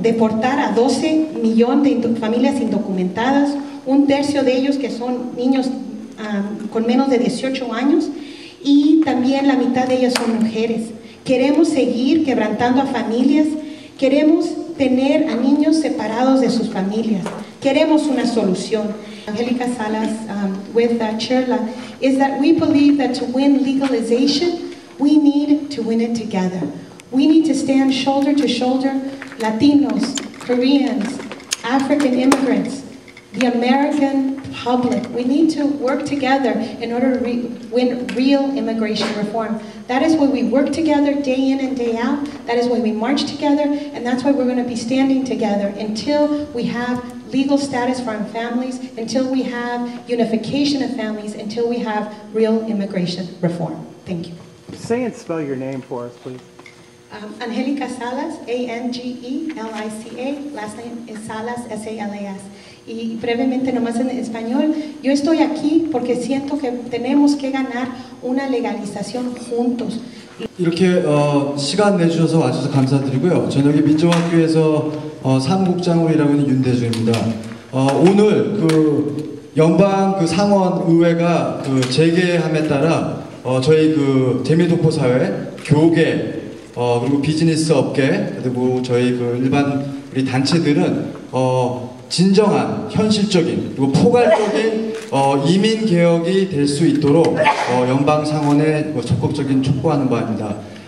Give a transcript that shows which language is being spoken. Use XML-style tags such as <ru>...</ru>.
<es>¿Deportar a 12 millones de familias indocumentadas, un tercio de ellos que son niños con menos de 18 años, y también la mitad de ellas son mujeres? ¿Queremos seguir quebrantando a familias? ¿Queremos tener a niños separados de sus familias? Queremos una solución.</es> <en>Angelica Salas, with Cherla, is that we believe that to win legalization, we need to win it together. We need to stand shoulder to shoulder, Latinos, Koreans, African immigrants, the American public. We need to work together in order to win real immigration reform. That is why we work together day in and day out. That is why we march together, and that's why we're going to be standing together until we have legal status for our families, until we have unification of families, until we have real immigration reform. Thank you. Say and spell your name for us, please. Angelica Salas, A-N-G-E-L-I-C-A, last name is Salas, S-A-L-A-S.</en> <es>Y brevemente nomás en español, yo estoy aquí porque siento que tenemos que ganar una legalización juntos.</es> <ko>이렇게 시간 내주셔서 와주셔서 감사드리고요. 저녁에 민주화학교에서 사무국장으로 일하고 있는 윤대중입니다. 오늘 그 연방 그 상원 의회가 그 재개함에 따라 저희 그 재미도포 사회, 교계, 그리고 비즈니스 업계, 그리고 저희 그 일반 우리 단체들은 진정한 현실적인 그리고 포괄적인 이민 개혁이 될 수 있도록 연방 상원에 적극적인 촉구하는 바입니다.</ko>